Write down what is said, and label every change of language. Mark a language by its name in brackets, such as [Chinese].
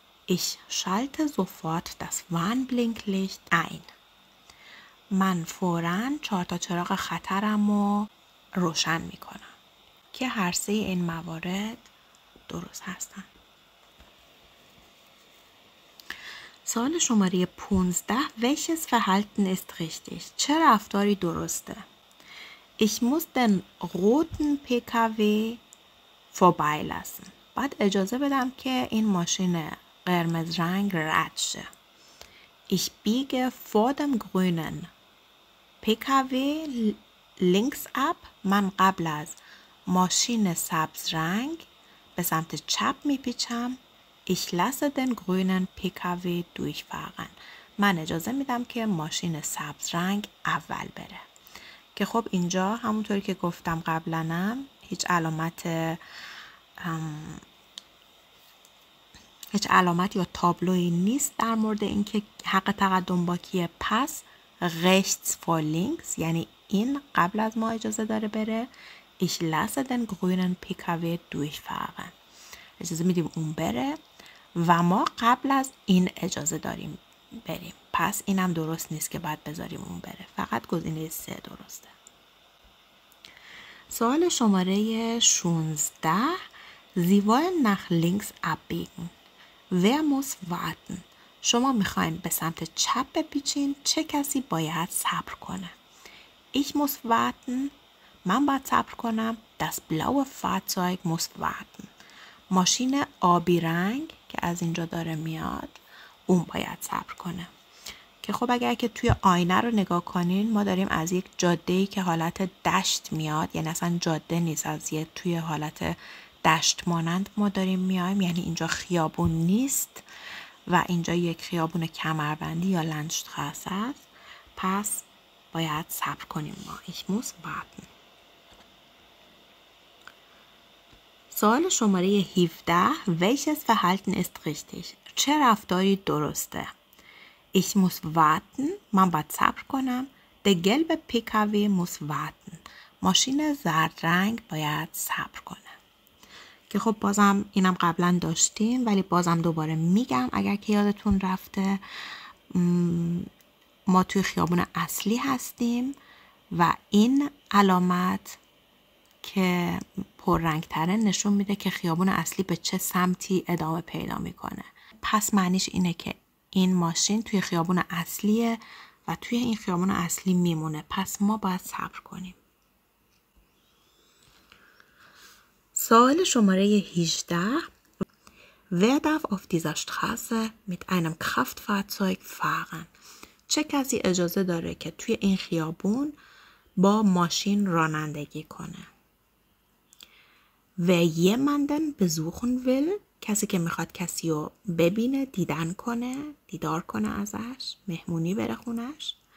[German] Ich schalte sofort das Warnblinklicht ein. [Persian] من فوراً چهار تا چراغ خطرم رو روشن میکنم که هر سه این موارد درست هستن. سوال شماره 15. [German] Welches Verhalten ist richtig? [Persian] چه رفتاری درسته؟ [German] Ich muss den roten PKW vorbeilassen. [Persian] بعد اجازه بدم که این ماشین قرمز رنگ رد شه. [German] Ich biege vor dem grünen PKW links ab. [Persian] من قبل از ماشین سبز رنگ به سمت چپ میپیچم. [German] Ich lasse den grünen PKW durchfahren. [Persian] من اجازه میدم که ماشین سبز رنگ اول بره. که خب اینجا همونطوری که گفتم قبلنم هیچ علامت یا تابلوی نیست در مورد اینکه حق تقدم با کیه. پس [German] rechts vor links [Persian] یعنی این قبل از ما اجازه داره بره. [German] Ich lasse den grünen PKW durchfahren. [Persian] اجازه میدیم اون بره و ما قبل از این اجازه داریم بریم. پس اینم درست نیست که بعد بذاریم اون بره. فقط گزینه سه درسته. سوال شماره 16. [German] Sie wollen nach links abbiegen. Wer muss warten? [Persian] شما میخواین به سمت چپ بپیچین. چه کسی باید صبر کنه؟ [German] Ich muss warten. [Persian] من باید صبر کنم. [German] Das blaue Fahrzeug muss warten. [Persian] ماشین آبی رنگ که از اینجا داره میاد اون باید صبر کنه. که خب اگر که توی آینه رو نگاه کنین ما داریم از یک جاده‌ای که حالت دشت میاد، یعنی اصلا جاده نیست، از یه توی حالت دشت مانند ما داریم میایم، یعنی اینجا خیابون نیست و اینجا یک خیابون کمربندی یا لندشتراسه است. پس باید صبر کنیم ما. [German] Ich muss warten. [Persian] سوال شماره 17. [German] Welches Verhalten ist richtig? [Persian] چه رفتاری درسته؟ [German] Ich muss warten. [Persian] من باید صبر کنم. [German] Der gelbe PKW muss warten. [Persian] ماشین زرد رنگ باید صبر کنه. که خب بازم اینم قبلا داشتیم ولی بازم دوباره میگم اگر که یادتون رفته، ما توی خیابون اصلی هستیم و این علامت که پررنگ‌تره نشون میده که خیابون اصلی به چه سمتی ادامه پیدا میکنه. پس معنیش اینه که این ماشین توی خیابون اصلیه و توی این خیابون اصلی میمونه. پس ما باید صبر کنیم. سوال شماره 18. [German] Wer darf auf dieser Straße mit einem Kraftfahrzeug fahren? [Persian] چه کسی اجازه داره که توی این خیابون با ماشین رانندگی کنه؟ [German] Wer jemanden besuchen will, [Persian] کسی که میخواد کسی رو ببینه، دیدن کنه، دیدار کنه ازش، مهمونی بره خونش.